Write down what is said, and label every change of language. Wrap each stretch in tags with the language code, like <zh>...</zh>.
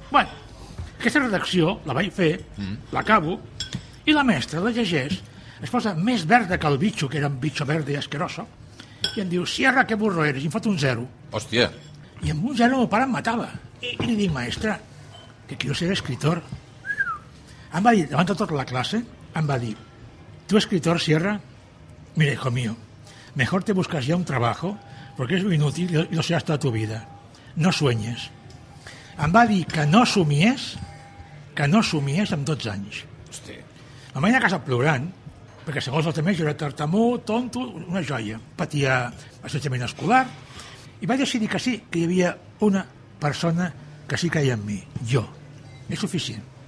<ca>Bueno, aquesta redacció la vaig fer, l'acabo, i la mestra la llegeix, es posa més verda que el bicho, que era un bicho verde i asqueroso, i em diu:</ca> <es>Sierra, que burro eres.</es> <ca>I em fot un 0. Hòstia. I amb un 0 el meu pare em matava. I li dic:</ca> <es>maestra, que quiero ser escritor.</es> <ca>Em va dir, davant de tota la classe, em va dir:</ca> <es>tu, escritor, Sierra, mira, hijo mío, mejor te buscas ya un trabajo, porque es muy inútil y lo serás toda tu vida. No sueñes.</es> <ca>Em va dir que no somies amb 12 anys. Hòstia. Me'n vaig anar a casa plorant, perquè segons els altres jo era tartamut, tonto, una joia. Patia assetjament escolar. I vaig decidir que sí, que hi havia una persona que sí que hi ha en mi. Jo. És suficient.</ca>